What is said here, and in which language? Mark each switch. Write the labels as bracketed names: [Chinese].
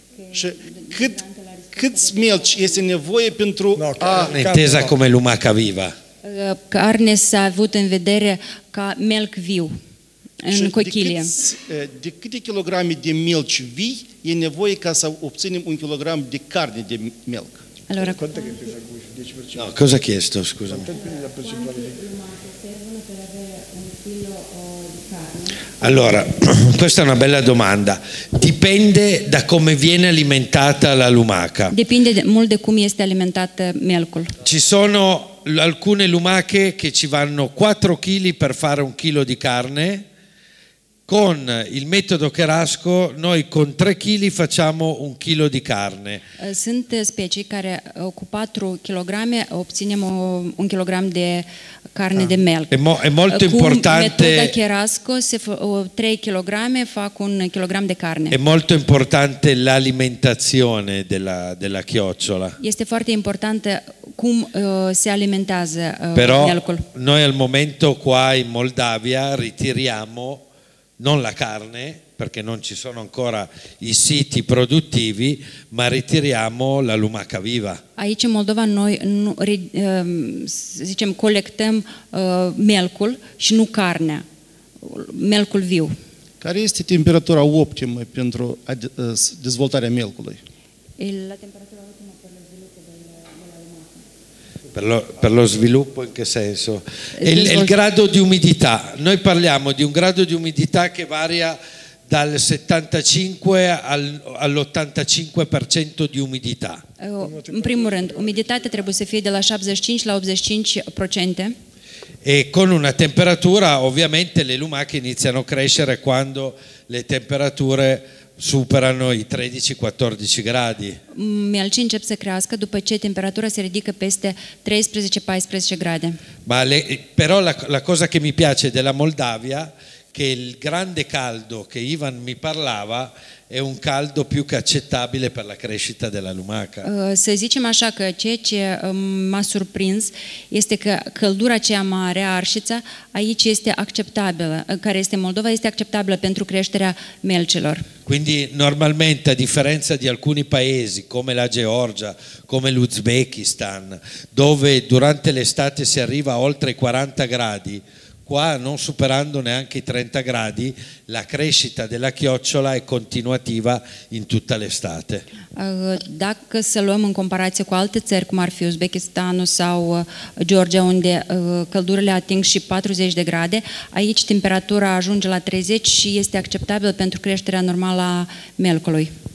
[Romanian] Și câți melci este nevoie pentru [Italian] carne, teza come lumaca viva. [Romanian] Carne s-a avut în vedere ca melc viu în cochilie. De câte kilograme de melci vii e nevoie ca să obținem un kilogram de carne de melc? [Italian] Allora, no, cosa ha chiesto, scusami? Allora, questa è una bella domanda. Dipende da come viene alimentata la lumaca. Dipende molto da come este alimentata melcul. Ci sono alcune lumache che ci vanno 4 kg per fare un chilo di carne. Con il metodo Cherasco noi con 3 kg facciamo un chilo di carne. [Romanian] Sunt specii care cu 4 kg obținem un kilogram de carne de melc. [Italian] E molto importante. [Romanian] Cu metoda Cherasco 3 kg fac un kilogram de carne. [Italian] È molto importante l'alimentazione della chiocciola. [Romanian] Este foarte importantă cum se alimentează melcul. [Italian] Però noi al momento qua in Moldavia ritiriamo non la carne, perché non ci sono ancora i siti produttivi, ma ritiriamo la lumaca viva. [Romanian] Aici în Moldova noi zicem colectăm melcul și nu carnea. Melcul viu. Care este temperatura optimă pentru dezvoltarea melcului? [Italian] La temperatura optimă per lo sviluppo della lumaca. Per lo sviluppo in che senso? Il grado di umidità. Noi parliamo di un grado di umidità che varia dal 75 all'85% di umidità. [Romanian] In primo rând, umidità trebuie să fie de la 75 la 85%. [Italian] E con una temperatura, ovviamente le lumache iniziano a crescere quando le temperature superano i 13-14 gradi. [Romanian] Melcii încep să crească după ce temperatura se ridică peste 13-14 grade. [Italian] Però la cosa che mi piace della Moldavia, che il grande caldo che Ivan mi parlava è un caldo più che accettabile per la crescita della lumaca. [Romanian] Să zicem așa că ceea ce m-a surprins este că căldura cea mare a Arșița aici este acceptabilă, care este Moldova, este acceptabilă pentru creșterea melcilor. [Italian] Quindi normalmente, a differenza di alcuni paesi come la Georgia, come l'Uzbekistan, dove durante l'estate si arriva oltre i 40 gradi, qua non superando neanche i 30 gradi, la crescita della chiocciola è continuativa in tutta l'estate. [Romanian] Dacă să luăm în comparație cu alte țări, cum ar fi Uzbekistanul sau Georgia, unde căldurile ating și 40 de grade, aici temperatura ajunge la 30 și este acceptabil pentru creșterea normală a melcului.